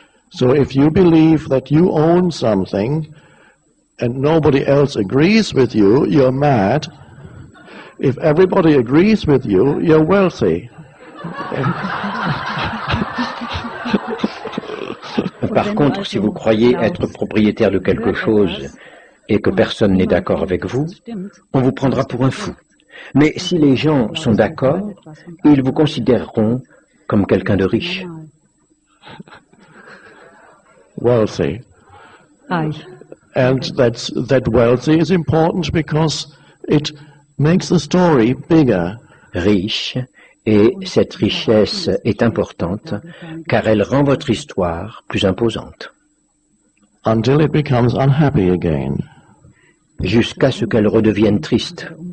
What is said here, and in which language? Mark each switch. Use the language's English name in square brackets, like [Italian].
[English] So if you believe that you own something and nobody else agrees with you, you're mad. If everybody agrees with you, you're wealthy. [French] Par contre, si vous croyez être propriétaire de quelque chose et que personne n'est d'accord avec vous, on vous prendra pour un fou. Mais si les gens sont d'accord, ils vous considéreront comme quelqu'un de riche. [English] Wealthy. And that wealthy is important because it makes the story bigger. [French] Riche. Et cette richesse est importante car elle rend votre histoire plus imposante. [English] Until it becomes unhappy again. [French] Jusqu'à ce qu'elle redevienne triste.